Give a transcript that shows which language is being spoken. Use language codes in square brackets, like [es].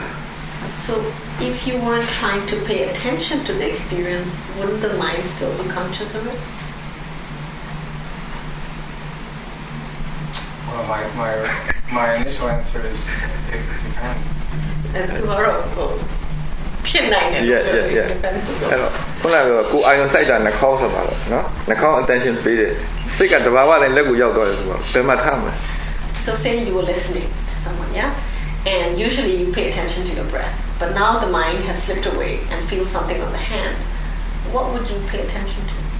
[en] So if you weren't trying to pay attention to the experience wouldn't the mind still be conscious of it? Well, my initial answer is it depends. That's horrible. [my] ဖြစ်နိုင်တယ်ဘယ်လိုလဲအဲ့တော့ခုနကကိုအာယုံစိုက်တာနှာခေါင်းဆိုပါတော့နော်နှာခေါင်း attention ပေးတယ်စိတ်ကတဘာဝတိုင်းလက်ကိုရောက်သွားတယ်ဆိုတော့ဘယ်မှာထားမလဲ [en] So say you were listening to someone yeah and usually you pay attention to your breath but now the mind has slipped away and feels something on the hand what would you pay attention to